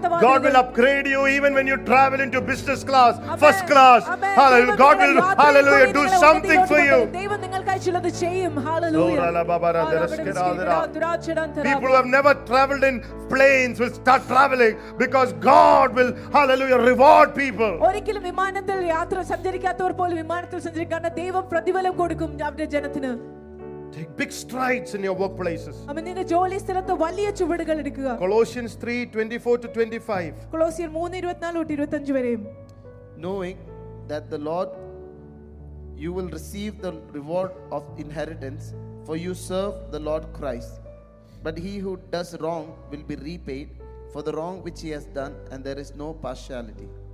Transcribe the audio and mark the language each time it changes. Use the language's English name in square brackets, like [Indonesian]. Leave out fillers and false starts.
[English] God will upgrade you even when you travel into business class, first class. Hallelujah. God will, hallelujah, do something for you. [Malayalam] ദൈവം നിങ്ങൾക്ക് ചിലത് ചെയ്യും. [English] Hallelujah. People who have never traveled in planes will start traveling because God will, hallelujah, reward people. [Malayalam] ഒരിക്കലും വിമാനത്തിൽ യാത്ര സഞ്ചരിക്കാത്തവർ പോലും വിമാനത്തിൽ സഞ്ചരിക്കുന്ന ദൈവം പ്രതിഫലം കൊടുക്കും അവരുടെ ജനത്തിന്. [English] Take big strides in your workplaces. [Malayalam] അമ്മ നിന്റെ ജോലി സ്ഥലത്ത് വലിയ ചുവടുകൾ എടുക്കുക. [English] Colossians 3:24-25. [Malayalam] കൊളോസ്യർ 3:24-25 വരെയും. [English] Knowing that the Lord, you will receive the reward of inheritance, for you serve the Lord Christ. But he who does wrong will be repaid for the wrong which he has done, and there is no partiality.